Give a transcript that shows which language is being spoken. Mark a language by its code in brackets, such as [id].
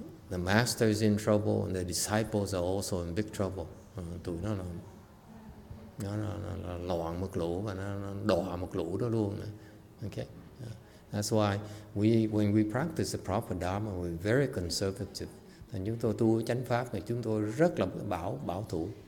[en] The master is in trouble and the disciples are also in big trouble. [vi] Tụi nó loạn một lũ và nó đọa một lũ đó luôn. [en] Okay. That's why when we practice the proper dharma, we're very conservative. [vi] Thành chúng tôi tu chánh pháp thì chúng tôi rất là bảo thủ.